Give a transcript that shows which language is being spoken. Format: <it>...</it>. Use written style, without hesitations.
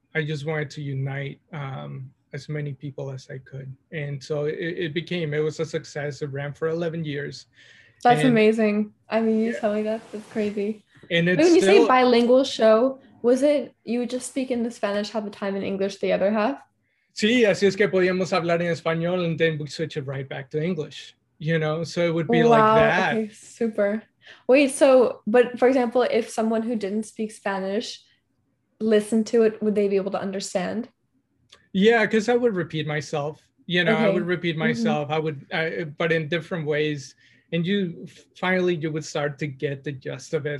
<en>I just wanted to unite as many people as I could. And so it was a success. It ran for 11 years. That's amazing. I mean, you tell me that's crazy. And it's when you say bilingual show, was it you would just speak in the Spanish half the time and English the other half?</en> <es>Sí, así es que podíamos hablar en español</es> <en>and then we switch it right back to English. So it would be like that. Okay, super. Wait, so, but for example, if someone who didn't speak Spanish listened to it, would they be able to understand? Yeah, because I would repeat myself, okay. I would repeat myself. Mm-hmm. But in different ways. And you would start to get the gist of it.</en>